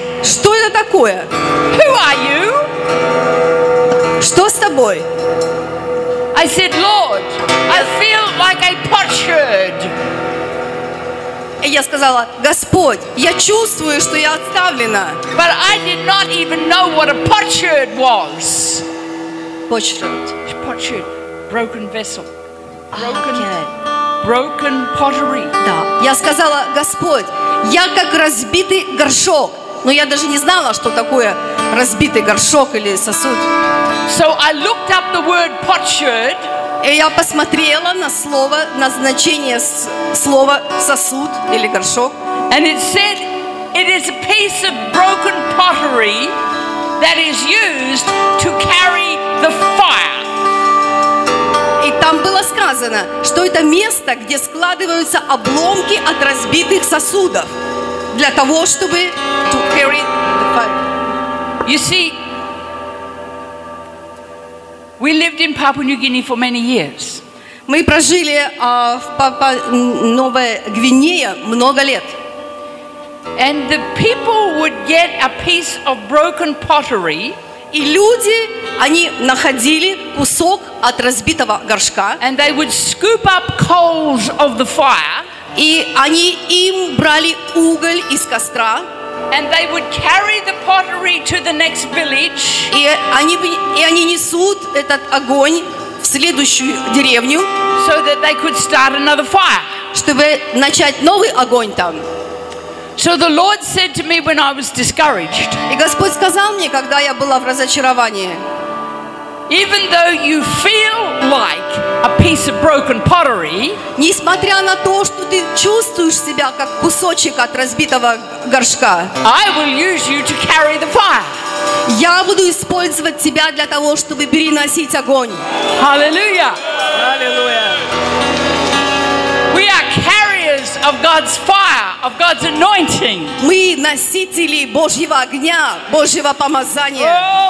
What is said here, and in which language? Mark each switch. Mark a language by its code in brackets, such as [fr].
[ru] Что это такое? [en] Who are you? [ru] Что с тобой? [en] I said, Lord, I feel like a potsherd. [ru] И я сказала, Господь, я чувствую, что я отставлена. [en] But I did not even know what a potsherd was. Potsherd. Potsherd. Broken vessel. Broken pottery. [ru] Да. Я сказала, Господь, я как разбитый горшок. Но я даже не знала, что такое разбитый горшок или сосуд. [en] So I looked up the word potsherd. [ru] И я посмотрела на слово, на значение слова сосуд или горшок. [en] And it said it is a piece of broken pottery that is used to carry the fire. [ru] И там было сказано, что это место, где складываются обломки от разбитых сосудов для того, чтобы [en] to carry the fire. You see, we lived in Papua New Guinea for many years. [ru] Мы прожили в Новой Гвинее много лет. [en] And the people would get a piece of broken pottery. [ru] И люди, они находили кусок от разбитого горшка. [en] And they would scoop up coals of the fire. [ru] И они им брали уголь из костра. [en] And they would carry the pottery to the next village. [ru] И они несут этот огонь в следующую деревню. [en] So that they could start another fire. [ru] Чтобы начать новый огонь там. [en] So the Lord said to me when I was discouraged. [ru] И Господь сказал мне, когда я была в разочаровании. [en] Even though you feel like a piece of broken pottery, [ru] несмотря на то, что ты чувствуешь себя как кусочек от разбитого горшка, [en] I will use you to carry the fire. [ru] Я буду использовать тебя для того, чтобы переносить огонь. [en] Hallelujah. Hallelujah. We are carriers of God's fire, of God's anointing. [ru] Мы носители Божьего огня, Божьего помазания.